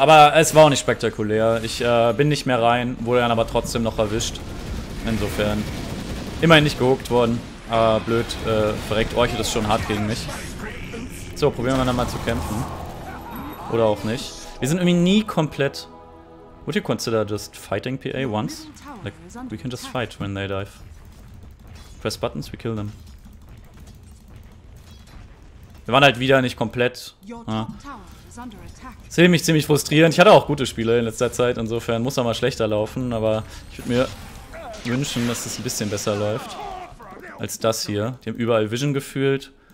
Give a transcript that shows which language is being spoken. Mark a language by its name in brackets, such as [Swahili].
[German] Aber es war auch nicht spektakulär. Ich bin nicht mehr rein, wurde dann aber trotzdem noch erwischt. Insofern. Immerhin nicht gehookt worden. Aber blöd, verreckt euch das schon hart gegen mich. So, probieren wir dann mal zu kämpfen. Oder auch nicht. Wir sind irgendwie nie komplett. [English] Would you consider just fighting PA once? Like, we can just fight when they dive. Press buttons, we kill them. [German] Wir waren halt wieder nicht komplett. Ja. Ziemlich frustrierend. Ich hatte auch gute Spiele in letzter Zeit. Insofern muss er mal schlechter laufen. Aber ich würde mir wünschen, dass es ein bisschen besser läuft. Als das hier. Die haben überall Vision gefühlt.